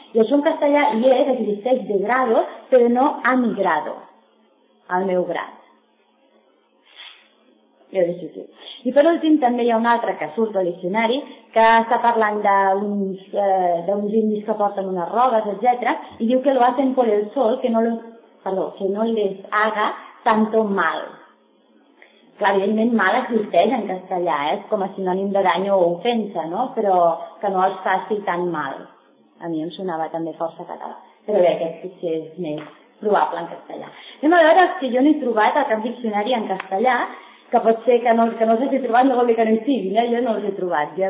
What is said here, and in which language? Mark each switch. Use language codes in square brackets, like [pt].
[ca] I això en castellà hi és, existeix de grado, però no [es] a mi grado. [ca] Al meu grado. I per últim també hi ha un altre que surt al diccionari que està parlant d'uns indis que porten unes rogues, etc. I diu que [es] lo hacen por el sol, que no les haga tanto mal. [ca] Clar, evidentment mal existeix en castellà, és com a sinònim de dany o ofensa, no? Però que no els faci tan mal. A mi em sonava també força català. Però bé, aquest potser és més probable en castellà. Anem a veure si jo n'he trobat el cap diccionari en castellà, que pot ser que no els hagi trobat, no vol dir que no hi sigui, no? Jo no els he trobat.